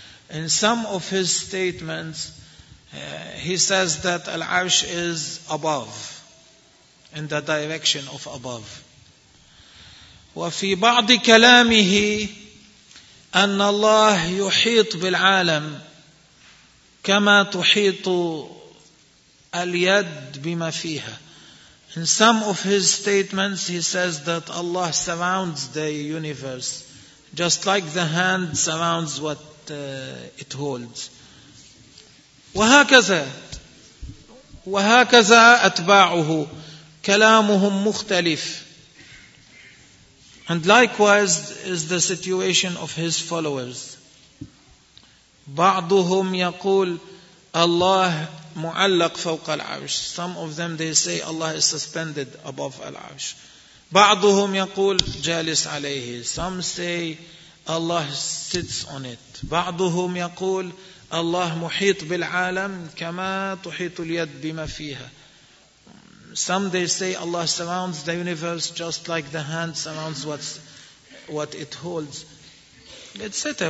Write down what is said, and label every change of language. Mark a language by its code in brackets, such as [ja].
[en] In some of his statements, he says that العرش is above, in the direction of above. [ar] وفي بعض كلامه أن الله يحيط بالعالم كما تحيط اليد بما فيها. [en] In some of his statements, he says that Allah surrounds the universe just like the hand surrounds what it holds. [ar] وهكذا أتباعه كلامهم مختلف. [en] And likewise is the situation of his followers. [ar] بعضهم يقول الله معلق فوق العرش. [en] Some of them they say Allah is suspended above العرش. [ar] بعضهم يقول جالس عليه. [en] Some say Allah sits on it. [ar] بعضهم يقول الله محيط بالعالم كما تحيط اليد بما فيها. [en] Some they say Allah surrounds the universe just like the hand surrounds what it holds, etc.